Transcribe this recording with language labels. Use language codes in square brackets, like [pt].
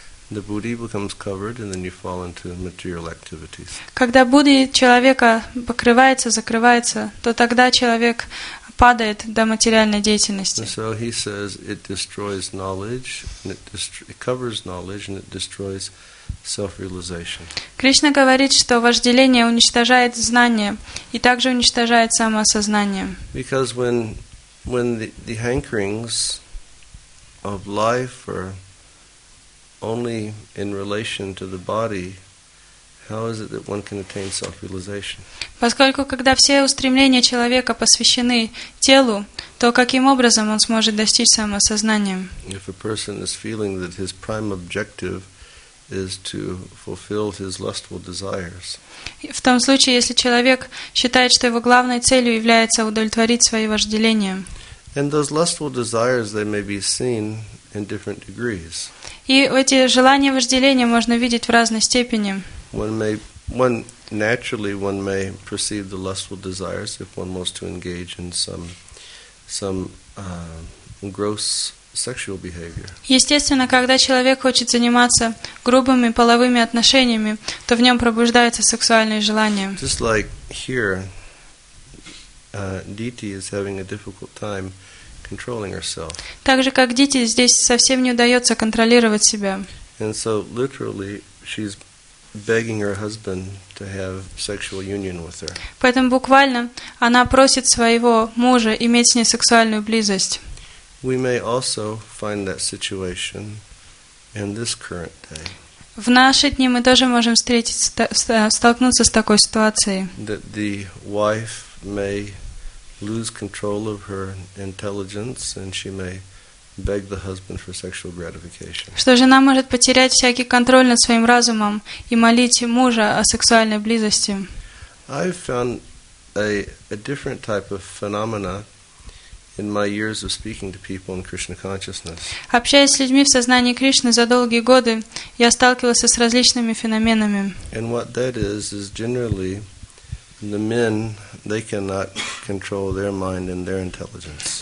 [en] The buddhi becomes covered and then you fall into material activities. [ru] Когда буддхи человека покрывается, закрывается, то тогда человек падает до материальной деятельности. [en] And so he says it destroys knowledge and it covers knowledge and it destroys self-realization. [ru] Кришна говорит, что вожделение уничтожает знание и также уничтожает самоосознание. [en] Because when the hankerings of life or only in relation to the body, how is it that one can attain self-realization? [ru] Поскольку когда все устремления человека посвящены телу, то каким образом он сможет достичь самосознания? [en] If a person is feeling that his prime objective is to fulfill his lustful desires. [ru] В том случае, если человек считает, что его главной целью является удовлетворить свои вожделения. [en] And those lustful desires, they may be seen in different degrees. [ru] И эти желания, вожделения можно видеть в разной степени. [en] One may one naturally one may perceive the lustful desires if one wants to engage in some gross sexual behavior. [ru] Естественно, когда человек хочет заниматься грубыми половыми отношениями, то в нем пробуждается сексуальное желание. [en] Just like here, Diti is having a difficult time controlling herself. [ru] Так же, как Дити, здесь совсем не удается контролировать себя. [en] And so literally she's begging her husband to have sexual union with her. [ru] Поэтому буквально она просит своего мужа иметь с ней сексуальную близость. [en] We may also find that situation in this current day. [ru] В наши дни мы тоже можем столкнуться с такой ситуацией. [en] That the wife may lose control of her intelligence and she may beg the husband for sexual gratification. [ru] Что жена может потерять всякий контроль над своим разумом и молить мужа о сексуальной близости. [en] I've found a different type of phenomena in my years of speaking to people in Krishna consciousness. [ru] Общаясь с людьми в сознании Кришны за долгие годы, я сталкивался с различными феноменами. [en] And what that is generally the men, they cannot control their mind and their intelligence.